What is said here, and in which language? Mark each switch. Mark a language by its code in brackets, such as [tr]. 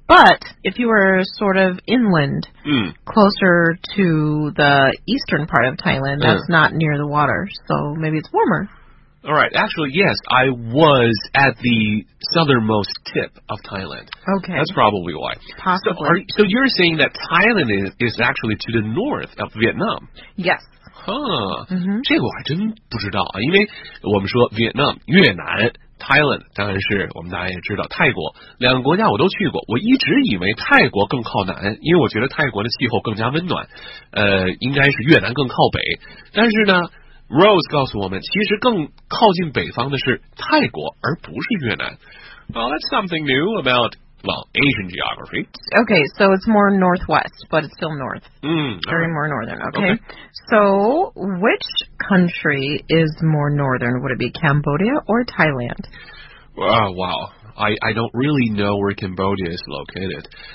[en] But if you were sort of inland, closer to the eastern part of Thailand, that's not near the water, so maybe it's warmer. All right. Actually, yes, I was at the southernmost tip of Thailand. Okay. That's probably why. Possibly. So you're saying that Thailand is actually to the north of Vietnam? Yes. [zh] 嗯，这个我还真不知道啊，因为我们说 Vietnam 越南 Thailand 当然是我们大家也知道泰国两个国家我都去过，我一直以为泰国更靠南，因为我觉得泰国的气候更加温暖，应该是越南更靠北，但是呢 Rose 告诉我们其实更靠近北方的是泰国而不是越南。 [en] Well, that's something new aboutAsian geography. Okay, so it's more northwest, but it's still north. Very more northern, okay. So, which country is more northern? Would it be Cambodia or Thailand? Wow. I don't really know where Cambodia is located.